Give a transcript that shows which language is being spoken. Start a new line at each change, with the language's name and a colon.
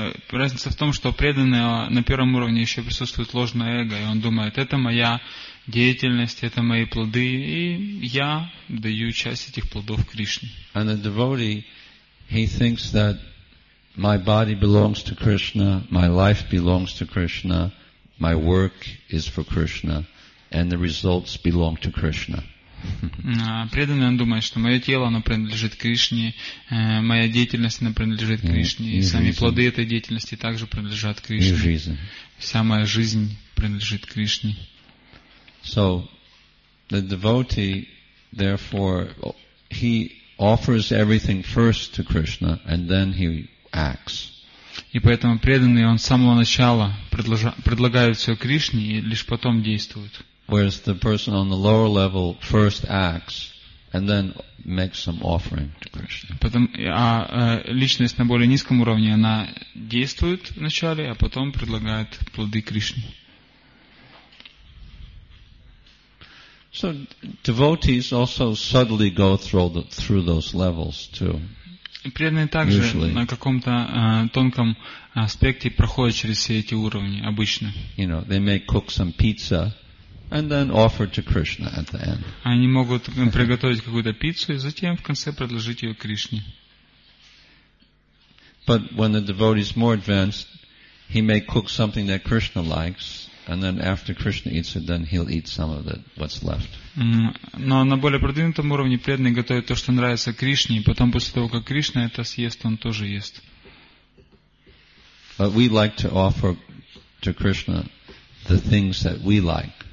Russian: Разница в том, что преданный на первом уровне еще присутствует ложное эго, и он думает, это моя деятельность, это мои плоды, и я даю часть этих плодов Кришне.
English: And the devotee, he thinks that my body belongs to Krishna, my life belongs to Krishna, my work is for Krishna, and the results belong to Krishna.
Russian: Преданный, он думает, что мое тело, оно принадлежит Кришне, моя деятельность, она принадлежит Кришне, и сами плоды этой деятельности также принадлежат Кришне. Вся моя жизнь принадлежит Кришне.
English: So, the devotee, therefore, he offers everything first to Krishna, and then he acts.
Russian: И поэтому преданный, он с самого начала предлагает все Кришне, и лишь потом действует.
English: Whereas the person on the lower level first acts and then makes some offering to Krishna.
Russian: Потом, а личность на более низком уровне, она действует вначале, а потом предлагает плоды Кришне.
English: So devotees also subtly go through those levels too.
Russian: Преданные также на каком-то тонком аспекте проходят через все эти уровни обычно.
English: You know, they may cook some pizza and then offer to Krishna at the end.
Russian: Они могут приготовить какую-то пиццу и затем в конце предложить ее Кришне.
English: But when the devotee is more advanced, he may cook something that Krishna likes, and then after Krishna eats it, then he'll eat some of it, what's left.
Russian: Но на более продвинутом уровне преданный готовит то, что нравится Кришне, и потом после того, как Кришна это съест, он тоже ест.
English: But we like to offer to Krishna the things that we like.